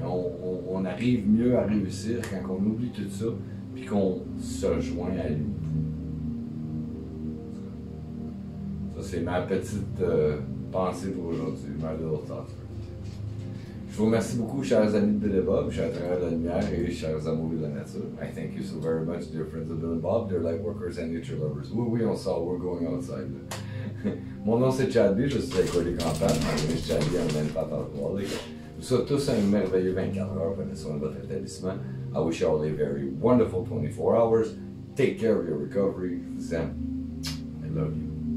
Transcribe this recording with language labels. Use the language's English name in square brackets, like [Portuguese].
[French] On arrive mieux à réussir quand on oublie tout ça, puis qu'on se joint à l'unité. Ça, c'est ma petite pensée pour aujourd'hui, [English] my little thought for you. [French] Je vous remercie beaucoup, chers amis de Bill et Bob, chers travailleurs de la lumière et chers amoureux de la nature. [English] I thank you so very much, dear friends of Bill and Bob, dear light workers and nature lovers. [French] Oui, on sort, [English] we're going outside. [French] Mon nom c'est Chad B, je suis alcoolique en panne. Mon nom est Chad B, on n'aime pas alcoolique. Vous souhaite tous un merveilleux 24 heures, prenez soin de votre rétablissement. [English] I wish you all a very wonderful 24 hours. Take care of your recovery. Zen. I love you.